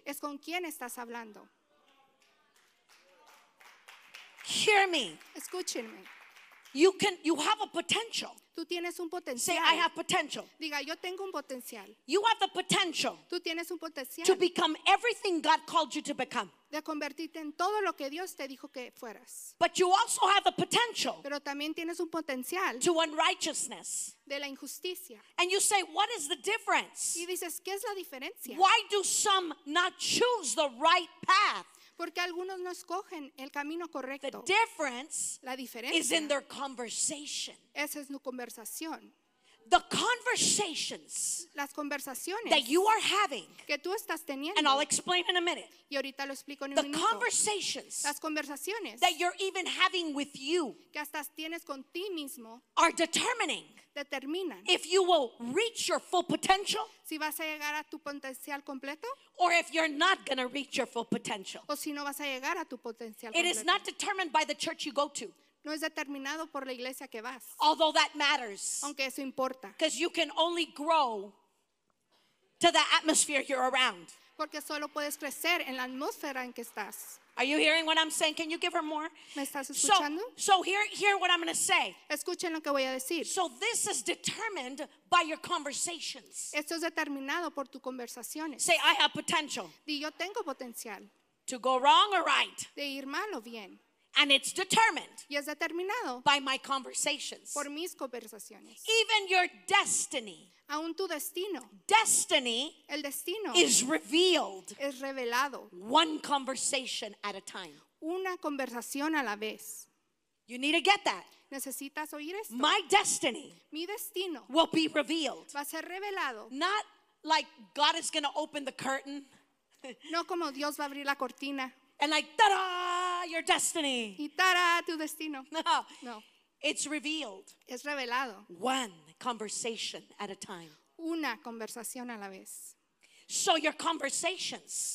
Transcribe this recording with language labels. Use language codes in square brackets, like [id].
[es] Es con quién estás hablando. [en] Hear me. [es] Escúchenme. [en] You have a potential. [es] Tú tienes un potencial. [en] Say, I have potential. [es] Diga, yo tengo un potencial. [en] You have the potential. [es] Tú tienes un potencial. [en] To become everything God called you to become. [es] De convertirte en todo lo que Dios te dijo que fueras. [en] But you also have the potential. [es] Pero también tienes un potencial. [en] To unrighteousness. [es] De la injusticia. [en] And you say, what is the difference? [es] Y dices, ¿qué es la diferencia? [en] Why do some not choose the right path? [es] Porque algunos no escogen el camino correcto. [en] The difference [es] la diferencia [en] is in their conversation. [es] Esa es su conversación. [en] The conversations [es] las conversaciones [en] that you are having [es] que tú estás teniendo, [en] and I'll explain in a minute. [es] Y ahorita lo explico en un [en] the [es] minuto. [en] Conversations [es] las conversaciones [en] that you're even having with you [es] que hasta tienes con ti mismo [en] are determining [es] determinan [en] if you will reach your full potential [es] si vas a llegar a tu potencial completo [en] or if you're not going to reach your full potential [es] o si no vas a llegar a tu potencial [en] it [es] completo. [en] Is not determined by the church you go to. [es] No es determinado por la iglesia que vas. [en] Although that matters. [es] Aunque eso importa. [en] Because you can only grow to the atmosphere you're around. [es] Porque solo puedes crecer en la atmósfera en que estás. [en] Are you hearing what I'm saying? Can you give her more? [es] ¿Me estás escuchando? [en] So hear what I'm going to say. [es] Escuchen lo que voy a decir. [en] So this is determined by your conversations. [es] Esto es determinado por tus conversaciones. [en] Say, I have potential. [es] Di, yo tengo potencial. [en] To go wrong or right. [es] De ir mal o bien. [en] And it's determined [es] y es determinado [en] by my conversations. [es] Por mis conversaciones. [en] Even your destiny [es] aún tu destino. [en] Destiny, [es] el destino, [en] is revealed. [es] Es revelado. [en] One conversation at a time. [es] Una conversación a la vez. [en] You need to get that. [es] Necesitas oír esto. [en] My destiny, [es] mi destino, [en] will be revealed. [es] Va a ser revelado. [en] Not like God is going to open the curtain. [es] No como Dios va a abrir la cortina. [en] And like, ta-da, your destiny. [es] Y ta-da, tu destino. [en] No. [es] No. [en] It's revealed. [es] Es revelado. [en] One conversation at a time. [es] Una conversación a la vez. [en] So your conversations.